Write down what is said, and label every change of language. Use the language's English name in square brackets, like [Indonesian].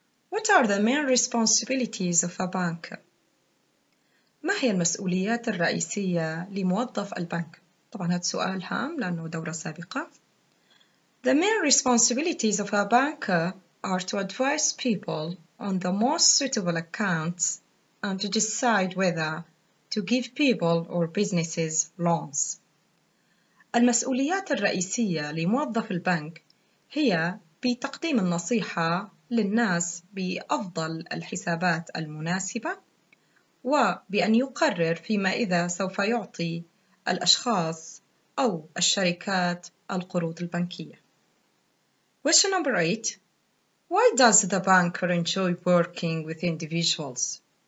[English] What are the main responsibilities of a banker? [Arabic] ما هي المسؤوليات الرئيسية لموظف البنك؟ طبعاً هذا سؤال هام لأنه دورة سابقة. [English] The main responsibilities of a banker are to advise people on the most suitable accounts and to decide whether to give people or businesses loans. [Arabic] المسؤوليات الرئيسية لموظف البنك هي بتقديم النصيحة للناس بأفضل الحسابات المناسبة وبأن يقرر فيما إذا سوف يعطي الأشخاص أو الشركات القروض البنكية. [English] Question number eight. Why does the banker enjoy working with individuals?